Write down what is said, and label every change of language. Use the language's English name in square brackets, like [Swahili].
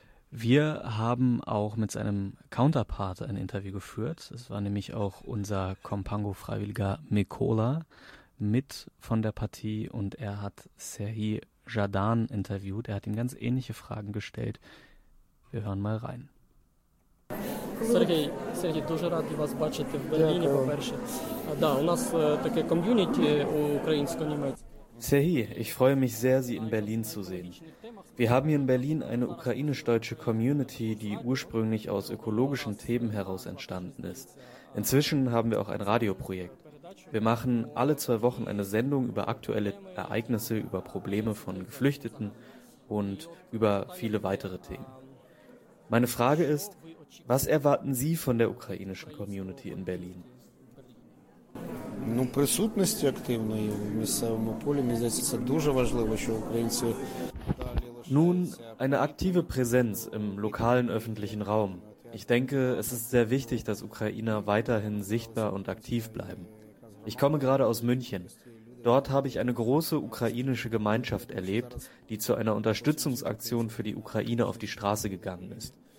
[German] Wir haben auch mit seinem Counterpart ein Interview geführt. Es war nämlich auch unser Kompango-Freiwilliger Mikola mit von der Partie und er hat Serhii Zhadan interviewt. Er hat ihm ganz ähnliche Fragen gestellt. Wir hören mal rein. [Ukrainian] Сергій, дуже радий вас бачити в Берліні, по-перше. Да, у нас таке ком'юніті українсько-німецьке. [German] Serhii, ich freue mich sehr, Sie in Berlin zu sehen. Wir haben hier in Berlin eine ukrainisch-deutsche Community, die ursprünglich aus ökologischen Themen heraus entstanden ist. Inzwischen haben wir auch ein Radioprojekt. Wir machen alle 2 Wochen eine Sendung über aktuelle Ereignisse, über Probleme von Geflüchteten und über viele weitere Themen. Meine Frage ist, was erwarten Sie von der ukrainischen Community in Berlin? [Ukrainian] Ну, присутності активної в місцевому полі, мені здається, це дуже важливо, що українці. [German] Nun, eine aktive Präsenz im lokalen öffentlichen Raum. Ich denke, es ist sehr wichtig, dass Ukrainer weiterhin sichtbar und aktiv bleiben. Ich komme gerade aus München. Dort habe ich eine große ukrainische Gemeinschaft erlebt, die zu einer Unterstützungsaktion für die Ukraine auf die Straße gegangen ist.